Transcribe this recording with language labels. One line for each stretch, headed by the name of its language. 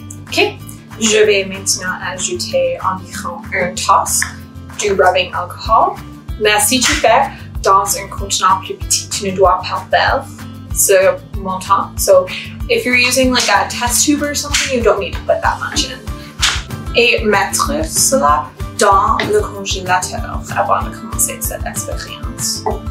French: Ok, je vais maintenant ajouter environ un tasse du rubbing alcohol. Mais si tu fais dans un contenant plus petit, tu ne dois pas faire ce montant.
English: So, if you're using like a test tube or something, you don't need to put that much in.
French: Et mettre cela dans le congélateur avant de commencer cette expérience.